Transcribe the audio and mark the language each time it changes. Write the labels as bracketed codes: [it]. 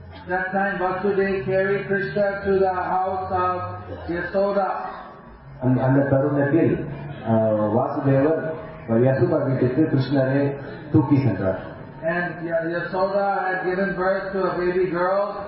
[en] That time Vasudeva carried Krishna to the house of Yasoda. [ta] அந்த தருணத்தில் வாசுதேவர் யசோதா வீட்டுக்கு கிருஷ்ணரை தூக்கி சென்றார். [en] And Yasoda had given birth to a baby girl.